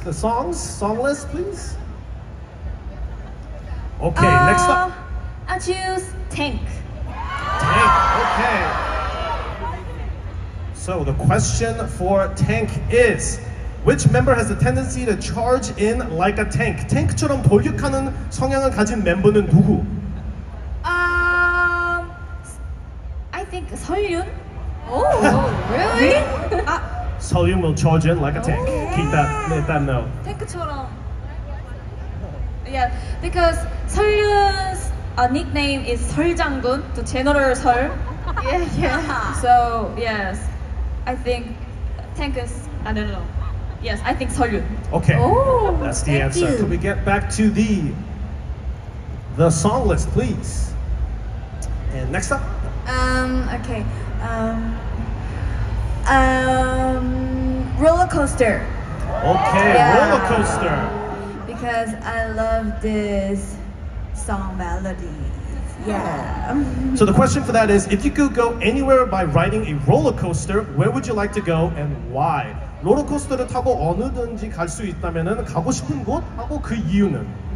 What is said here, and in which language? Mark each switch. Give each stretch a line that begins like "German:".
English: The songs, song list, please? Okay, next up. I choose Tank. Tank, okay. So the question for Tank is, which member has a tendency to charge in like a tank?
Korean: 탱크처럼 돌격하는 성향을 가진 멤버는 누구?
English: I think 설윤? Oh, really? Seolyun will charge in like a tank. Keep that, let that know.
Korean: 탱크처럼.
English: Yeah, because Seolyun's nickname is 설장군, the general 설. Yeah, yeah. So, yes, I think Tank is, I don't know. Yes, I think Seolyun. Okay, oh, that's the answer. You. Can we get back to the song list, please? And next up? Roller coaster. Okay, yeah. Roller coaster. Because I love this song melody. Yeah. So the question for that is, if you could go anywhere by riding a roller coaster, where would you like to go and why?
Korean: 롤러코스터를 타고 어느든지 갈 수 있다면은 가고 싶은 곳 하고 그 이유는?